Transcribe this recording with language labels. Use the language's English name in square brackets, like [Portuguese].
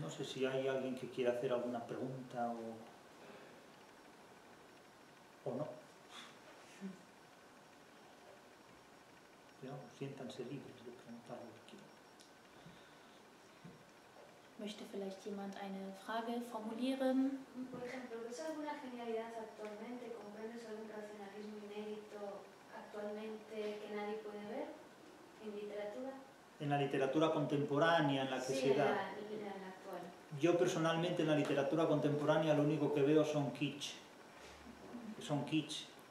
[Spanish] No sé si hay alguien que quiera hacer alguna pregunta o no. Ja, siéntanse libres de preguntar lo que quieran. [German] ¿Möchte vielleicht jemand eine Frage formulieren? [Spanish] Por ejemplo, ¿ves alguna genialidad actualmente? ¿Comprendes algún racionalismo inédito actualmente que nadie puede ver en literatura? ¿En la literatura contemporánea, en la que sí, se da? Sí, en la actual. Yo personalmente en la literatura contemporánea lo único que veo son kitsch. Son kitsch.